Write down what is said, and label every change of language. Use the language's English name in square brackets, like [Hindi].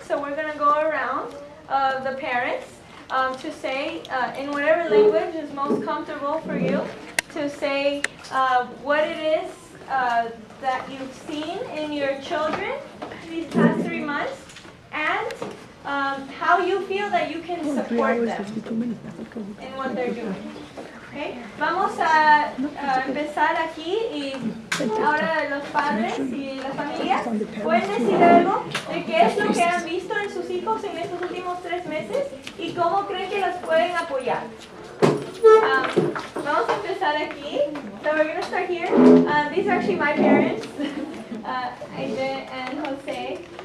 [English] So we're going to go around the parents to say in whatever language is most comfortable for you to say what it is that you've seen in your children these past 3 months and how you feel that you can support them in what they're doing. Okay. [Spanish] Vamos a empezar aquí y ahora los padres y las familias pueden decir algo de qué es lo que han visto en sus hijos en estos últimos 3 meses y cómo creen que los pueden apoyar. Vamos a empezar aquí. [English] So we're going to start here. These are actually my parents, Aide and Jose.